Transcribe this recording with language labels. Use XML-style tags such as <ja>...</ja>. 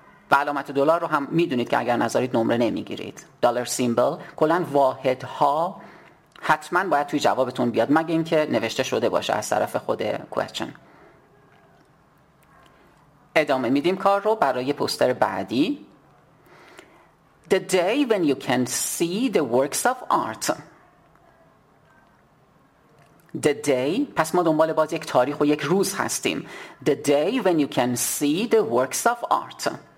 <fa>و علامت دلار رو هم میدونید که اگر نذارید نمره نمیگیرید. دلار سیمبل کلن واحدها حتما باید توی جوابتون بیاد، مگه اینکه نوشته شده باشه از طرف خود question. ادامه میدیم کار رو برای پوستر بعدی.</fa> <en>The day when you can see the works of art.</en> <fa>The day، پس ما دنبال باز یک تاریخ و یک روز هستیم.</fa> <en>The day when you can see the works of art.</en>